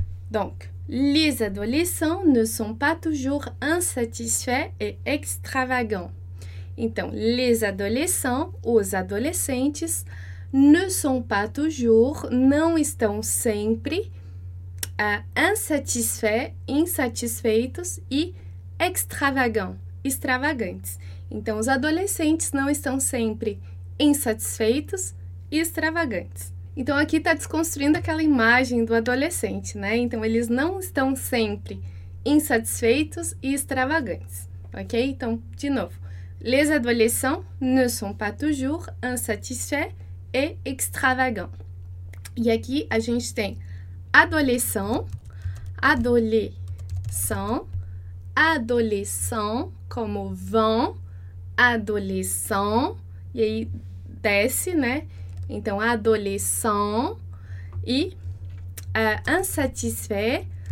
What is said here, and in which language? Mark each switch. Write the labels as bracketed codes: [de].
[fr] Donc, les adolescents ne sont pas toujours insatisfaits et extravagants. [pt] Então, les adolescents, os adolescentes, [fr] ne sont pas toujours, [pt] não estão sempre, insatisfaits, insatisfeitos e extravagants, extravagantes. Então, os adolescentes não estão sempre insatisfeitos e extravagantes. Então, aqui está desconstruindo aquela imagem do adolescente, né? Então, eles não estão sempre insatisfeitos e extravagantes, ok? Então, de novo. [fr] Les adolescents ne sont pas toujours insatisfaits et extravagants. [pt] E aqui a gente tem adolescent, adolescent, como vão, adolescent, e aí desce, né? Então, adolescent e insatisfait.